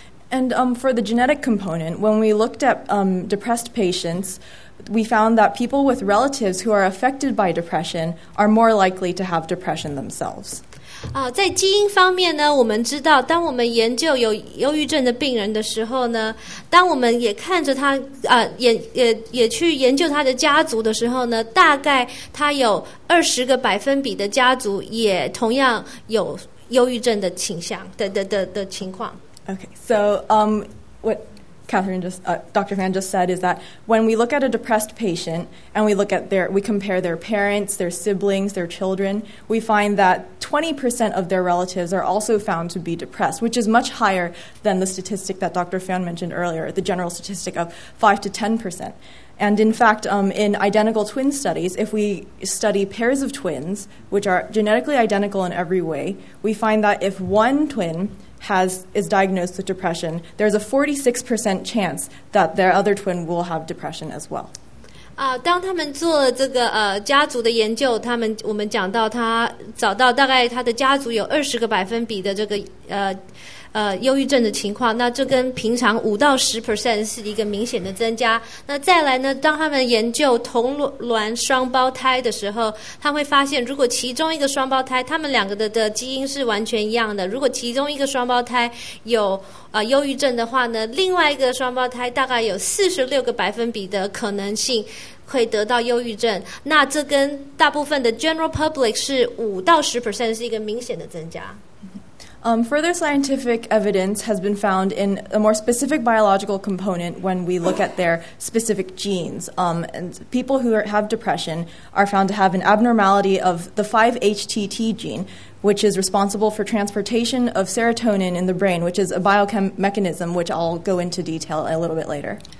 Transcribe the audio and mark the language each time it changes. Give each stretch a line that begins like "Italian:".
English: And for the genetic component, when we looked at depressed patients, we found that people with relatives who are affected by depression are more likely to have depression themselves.
Chinese: 在基因方面呢，我们知道，当我们研究有忧郁症的病人的时候呢，当我们也看着他，也去研究他的家族的时候呢，大概他有20个百分比的家族也同样有忧郁症的倾向的情况。
English: Okay, so what Catherine just, Dr. Fan just said is that when we look at a depressed patient and we look at their, we compare their parents, their siblings, their children, we find that 20% of their relatives are also found to be depressed, which is much higher than the statistic that Dr. Fan mentioned earlier, the general statistic of 5 to 10%. And in fact, in identical twin studies, if we study pairs of twins, which are genetically identical in every way, we find that if one twin is diagnosed with depression, there's a 46% chance that their other twin will have depression as well.
Chinese: 当他们做了这个家族的研究，我们讲到他找到大概他的家族有二十个百分比的这个忧郁症的情况，那这跟平常5-10% 是一个明显的增加。那再来呢，当他们研究同卵双胞胎的时候，他会发现如果其中一个双胞胎，他们两个 的基因是完全一样的，如果其中一个双胞胎有忧郁症的话呢，另外一个双胞胎大概有46个百分比的可能性会得到忧郁症，那这跟大部分的 general public 是5-10% 是一个明显的增加。
English: Further scientific evidence has been found in a more specific biological component when we look at their specific genes. And people who have depression are found to have an abnormality of the 5-HTT gene, which is responsible for transportation of serotonin in the brain, which is a biochem mechanism, which I'll go into detail a little bit later.